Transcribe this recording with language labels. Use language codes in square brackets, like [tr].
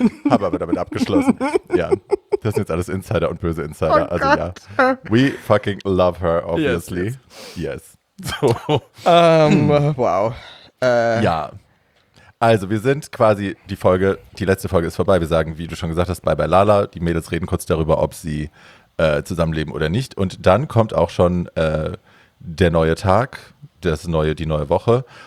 [de] Habe aber damit abgeschlossen. Ja, das sind jetzt alles Insider und böse Insider. Oh also Gott. [en] Ja, we fucking love her, obviously. Yes. So. Wow. [de] Ja. Also wir sind quasi, die letzte Folge ist vorbei. Wir sagen, wie du schon gesagt hast, bye bye Lala. Die Mädels reden kurz darüber, ob sie zusammenleben oder nicht. Und dann kommt auch schon der neue Tag, die neue Woche.